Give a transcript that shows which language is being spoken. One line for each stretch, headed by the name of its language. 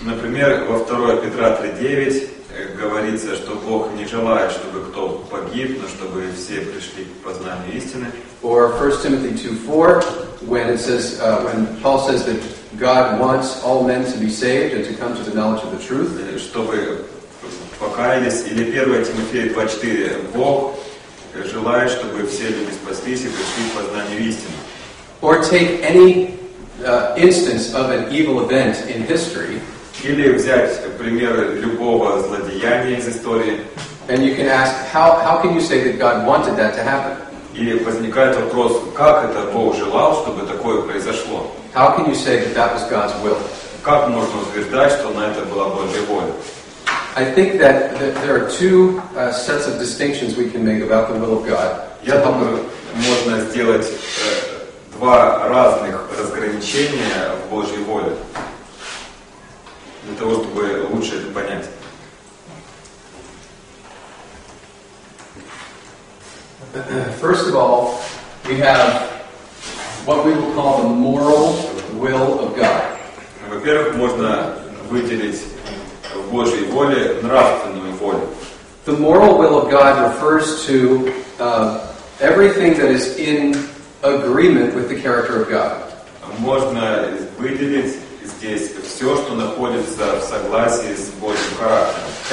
Russian: Например, во 2 Петра 3:9 говорится, что Бог не желает, чтобы кто погиб, но чтобы все пришли к познанию истины.
English: Or 1 Timothy 2:4, when Paul says that God wants all men to be saved and to come to the knowledge of the truth.
Russian: Чтобы покаялись, или 1 Тимофея 2:4, Бог желает, чтобы все люди спаслись и пришли к познанию истины.
English: Or take any instance of an evil event in history.
Russian: Или взять пример любого злодеяния из истории.
English: And you can ask, how can you say that God wanted that to happen?
Russian: И возникает вопрос, как это Бог желал, чтобы такое произошло?
English: How can you say that that was God's will?
Russian: Как можно утверждать, что на это была Божья воля?
English: I think that there are two sets of distinctions we can make about the will of God.
Russian: Я думаю, можно сделать два разных разграничения в Божьей воле, для того, чтобы лучше это понять.
English: First of all, we have what we will call the moral will of God.
Russian: Во-первых, можно выделить в Божьей воле нравственную волю.
English: The moral will of God refers to everything that is in agreement with the character of God.
Russian: Можно выделить здесь все, что находится в согласии с Божьим характером.